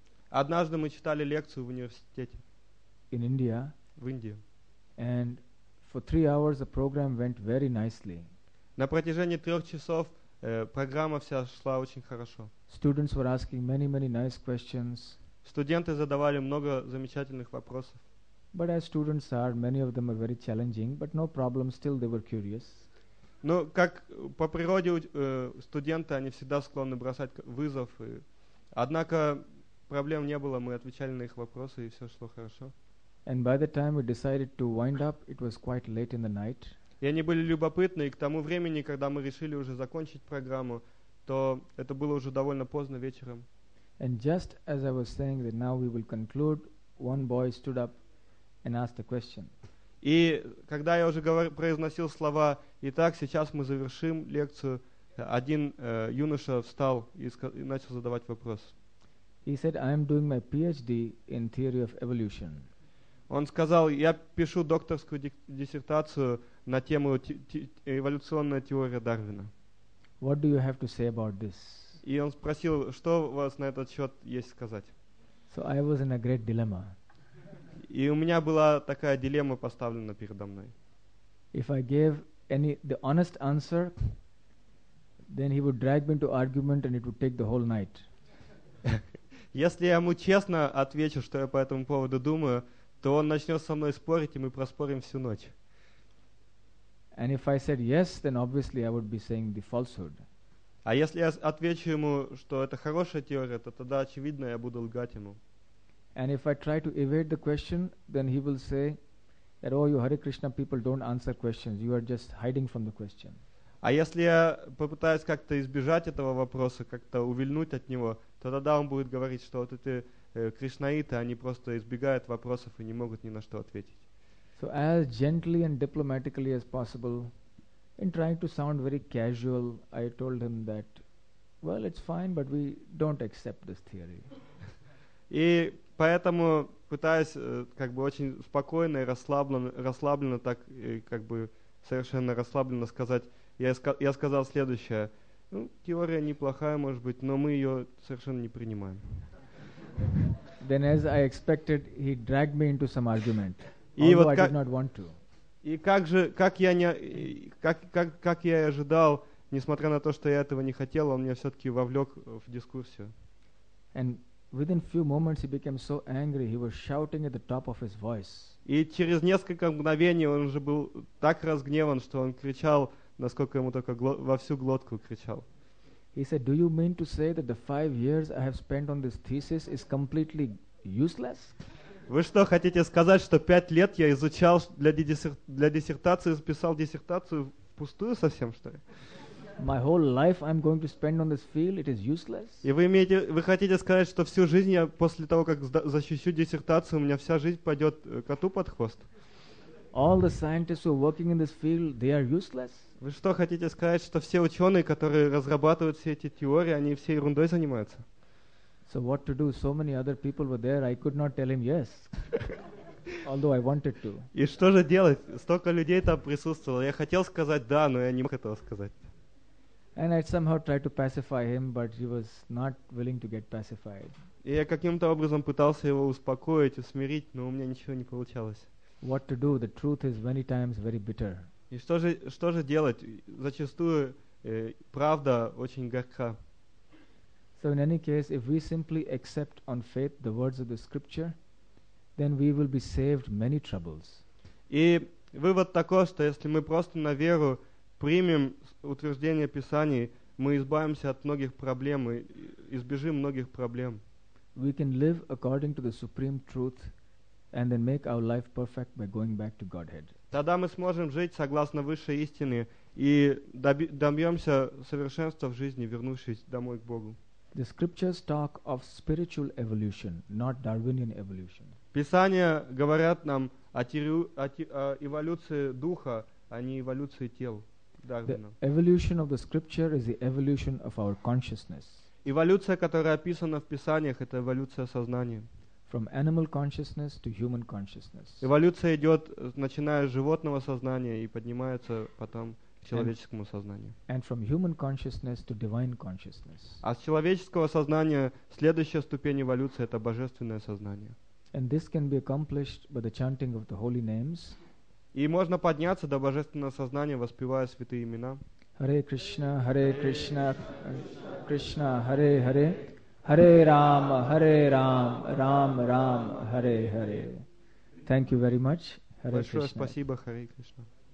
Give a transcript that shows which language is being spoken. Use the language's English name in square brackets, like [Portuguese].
[Russian] Однажды мы читали лекцию в университете. [English] In India. [Russian] В Индии. [English] And for 3 hours the program went very nicely. [Russian] На протяжении трех часов программа вся шла очень хорошо. [English] Students were asking many, many nice questions. [Russian] Студенты задавали много замечательных вопросов. [English] But as students are, many of them are very challenging, but no problem, still they were curious. [Russian] Но как по природе студенты, они всегда склонны бросать вызов. И, однако проблем не было, мы отвечали на их вопросы, и все шло хорошо. [English] And by the time we decided to wind up, it was quite late in the night. [Russian] И они были любопытны, и к тому времени, когда мы решили уже закончить программу, то это было уже довольно поздно вечером. [English] And just as I was saying that now we will conclude, one boy stood up and asked a question. [Russian] И когда я уже произносил слова «Итак, сейчас мы завершим лекцию», один юноша встал и начал задавать вопрос. [English] He said, I am doing my PhD in theory of evolution. [Russian] Он сказал, я пишу докторскую диссертацию на тему эволюционная теория Дарвина. [English] What do you have to say about this? [Russian] И он спросил, что у вас на этот счет есть сказать. [English] So I was in a great dilemma. [Russian] И у меня была такая дилемма поставлена передо мной. [English] If I gave the honest answer, then he would drag me into argument and it would take the whole night. [Russian] Если я ему честно отвечу, что я по этому поводу думаю, то он начнет со мной спорить, и мы проспорим всю ночь. [English] And if I said yes, then obviously I would be saying the falsehood. [Russian] А если я отвечу ему, что это хорошая теория, то тогда очевидно, я буду лгать ему. [English] And if I try to evade the question, then he will say that, oh, you Hare Krishna people don't answer questions. You are just hiding from the question. [Russian] А если я попытаюсь как-то избежать этого вопроса, как-то увильнуть от него, то тогда он будет говорить, что вот эти кришнаиты, они просто избегают вопросов и не могут ни на что ответить. [English] So as gently and diplomatically as possible, in trying to sound very casual, I told him that, well, it's fine, but we don't accept this theory. [Russian] И поэтому, пытаясь как бы очень спокойно и расслабленно так как бы совершенно расслабленно сказать, я сказал следующее. Ну, теория неплохая, может быть, но мы ее совершенно не принимаем. [English] Then as I expected, he dragged me into some argument. Although I did not want to. [Russian] И как я и ожидал, несмотря на то, что я этого не хотел, он меня все-таки вовлек в дискуссию. [English] And within few moments he became so angry, he was shouting at the top of his voice. [Russian] И через несколько мгновений он уже был так разгневан, что он кричал, насколько ему только во всю глотку кричал. [English] He said, do you mean to say that the 5 years I have spent on this thesis is completely useless? [Russian] Вы что, хотите сказать, что 5 лет я изучал для диссертации, писал диссертацию впустую совсем, что ли? [English] My whole life I'm going to spend on this field, it is useless. [Russian] И вы хотите сказать, что всю жизнь я после того, как защищу диссертацию, у меня вся жизнь пойдет коту под хвост? [English] All the scientists who are working in this field, they are useless. [Russian] Вы что, хотите сказать, что все ученые, которые разрабатывают все эти теории, они все ерундой занимаются? [English] So what to do? So many other people were there, I could not tell him yes. Although I wanted to. [Russian] И что же делать? Столько людей там присутствовало. Я хотел сказать да, но я не мог этого сказать. [English] And I somehow tried to pacify him, but he was not willing to get pacified. [Russian] И я каким-то образом пытался его успокоить, усмирить, но у меня ничего не получалось. [English] What to do? The truth is many times very bitter. [Russian] И что же делать? Зачастую правда очень горька. [English] So in any case, if we simply accept on faith the words of the scripture, then we will be saved many troubles. [Russian] И вывод такой, что если мы просто на веру примем утверждение Писаний, мы избавимся от многих проблем и избежим многих проблем. [English] We can live according to the supreme truth and then make our life perfect by going back to Godhead. [Russian] Тогда мы сможем жить согласно высшей истине и добьемся совершенства в жизни, вернувшись домой к Богу. [English] The scriptures talk of spiritual evolution, not Darwinian evolution. [Russian] Писания говорят нам о эволюции духа, а не эволюции тел Дарвина. [English] The evolution of the scripture is the evolution of our consciousness. [Russian] Эволюция, которая описана в Писаниях, это эволюция сознания. [English] From animal consciousness to human consciousness. [Russian] Эволюция идет, начиная с животного сознания и поднимается потом к человеческому сознанию. [English] And from human consciousness to divine consciousness. [Russian] А с человеческого сознания следующая ступень эволюции — это божественное сознание. [English] And this can be accomplished by the chanting of the holy names. [Russian] И можно подняться до божественного сознания, воспевая святые имена. [English] Hare Krishna, Krishna, Hare Hare, Hare Rama, Ram Ram, Hare Hare. Thank you very much. Hare [Russian] Большое [English] Krishna. [Russian] Спасибо, Hare Krishna.